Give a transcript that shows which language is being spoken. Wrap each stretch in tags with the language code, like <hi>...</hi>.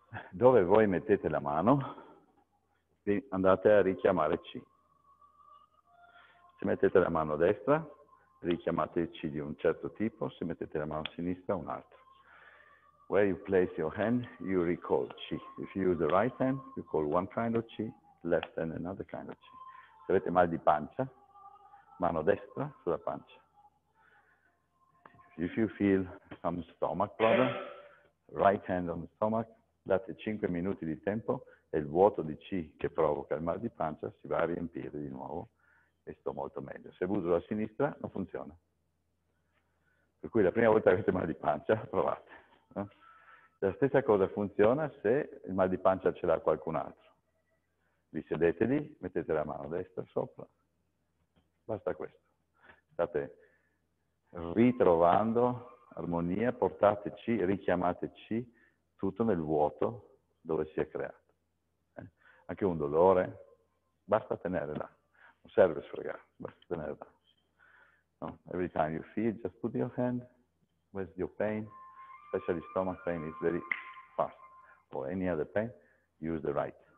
<it>Dove voi mettete la mano, andate a richiamare C. Se mettete la mano a destra, richiamate C di un certo tipo, se mettete la mano a sinistra, un altro.</it> <en>Where you place your hand, you recall C. If you use the right hand, you call one kind of C, left hand another kind of C.</en> <it>Se avete mal di pancia, mano destra sulla pancia.</it> <en>If you feel some stomach problem, right hand on the stomach,</en> <it>date 5 minuti di tempo e il vuoto di C che provoca il mal di pancia si va a riempire di nuovo e sto molto meglio. Se uso la sinistra non funziona. Per cui la prima volta che avete mal di pancia, provate. La stessa cosa funziona se il mal di pancia ce l'ha qualcun altro. Vi sedete lì, mettete la mano destra sopra, basta questo. State ritrovando armonia, portateci, richiamateci tutto nel vuoto dove si è creato. Anche un dolore, basta tenere là, non serve sfregare, basta tenere là. No?</it> <en>Every time you feel, just put your hand, where's your pain, especially stomach pain is very fast, or any other pain, use the right.</en>